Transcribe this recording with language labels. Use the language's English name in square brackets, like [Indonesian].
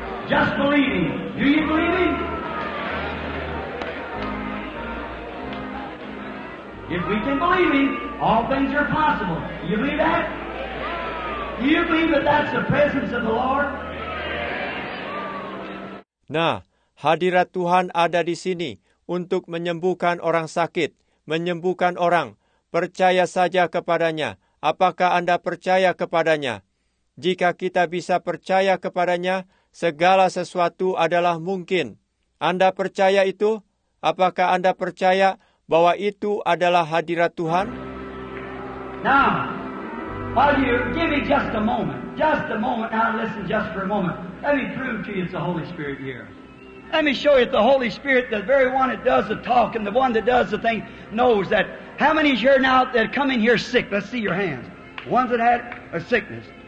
[English] Just believe Him. Do you believe Him? If we can believe Him, all things are possible. Do you believe that? Do you believe that that's the presence of the Lord? [Indonesian] Nah, hadirat Tuhan ada di sini. Untuk menyembuhkan orang sakit, menyembuhkan orang, percaya saja kepadanya. Apakah Anda percaya kepadanya? Jika kita bisa percaya kepadanya, segala sesuatu adalah mungkin. Anda percaya itu? Apakah Anda percaya bahwa itu adalah hadirat Tuhan? [English] Now, while you give me just a moment, now listen just for a moment. Let me prove to you it's the Holy Spirit here. Let me show you the Holy Spirit, the very one that does the talk and the one that does the thing, knows that. How many here now that come in here sick? Let's see your hands. Ones that had a sickness.